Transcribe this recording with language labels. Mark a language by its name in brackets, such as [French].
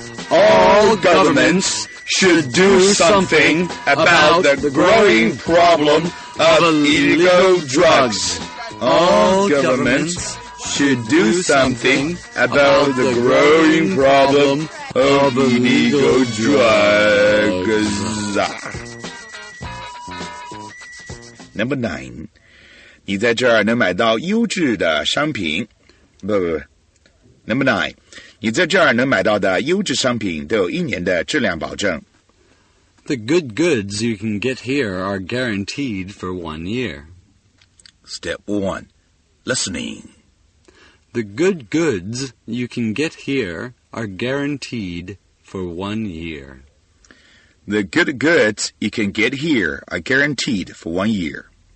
[English] All governments should do something about the growing problem of illegal drugs. All governments should do something about the growing problemOf illegal drugs. Number 9. [Chinese] 你在这儿能买到优质的商品。 [English] Number 9. [Chinese] 你在这儿能买到的优质商品都有一年的质量保证。 [English] The good goods you can get here are guaranteed for 1 year. Step 1. Listening. The good goods you can get here... are guaranteed for 1 year. The good goods you can get here are guaranteed for 1 year.